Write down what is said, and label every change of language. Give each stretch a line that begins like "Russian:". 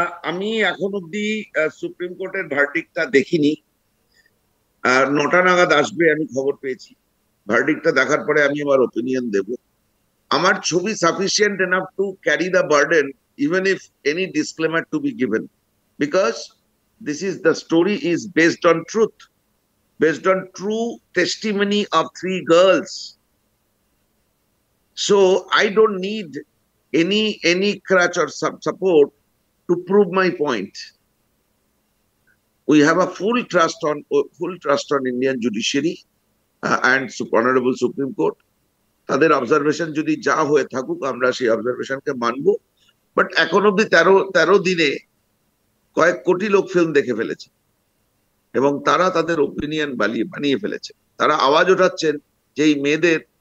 Bangla: আমি এখন অবধি সুপ্রিম কোর্টের ভার্ডিক্টটা দেখিনি, আর 9টা নাগাদ আসবে আমি খবর পেয়েছি, ভার্ডিক্টটা দেখার পরে আমি আমার ওপিনিয়ন দেব। আমার ছবি
English: Sufficient enough to carry the burden even if any disclaimer to be given, because this is the story is based on truth, based on true testimony of three girls, So I don't need any crutch or support to prove my point. We have a full trust on Indian judiciary and honorable Supreme Court.
Bangla: তাদের observation যদি যা হয়ে থাকুক আমরা সেই অবজারভেশনকে মানব but এখন অব্দি ১৩ দিনে কয়েক কোটি লোক ফিল্ম দেখে ফেলেছে এবং তারা তাদের ওপিনিয়ন বানিয়ে ফেলেছে তারা আওয়াজ উঠাচ্ছেন যে এই মেয়েদের